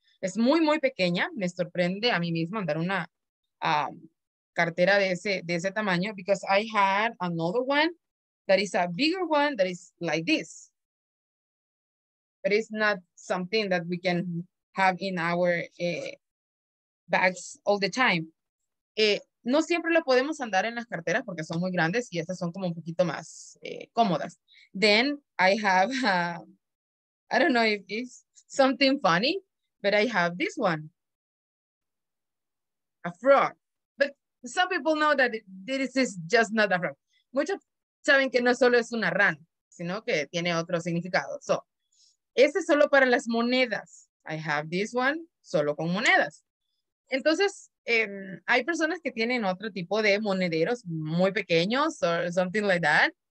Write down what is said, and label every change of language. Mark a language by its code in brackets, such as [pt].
[es] Es muy, muy pequeña. Me sorprende a mí misma andar una cartera de ese tamaño [en] because I had another one. That is a bigger one that is like this. But it's not something that we can have in our bags all the time. [es] No siempre lo podemos andar en las carteras porque son muy grandes y estas son como un poquito más cómodas. [en] Then I have, I don't know if it's something funny, but I have this one. A frog. But some people know that this is just not a frog. [es] Saben que no solo es una rana, sino que tiene otro significado. So, este es solo para las monedas. [en] I have this one [es] solo con monedas. Entonces, hay personas que tienen otro tipo de monederos muy pequeños [en] or something like that.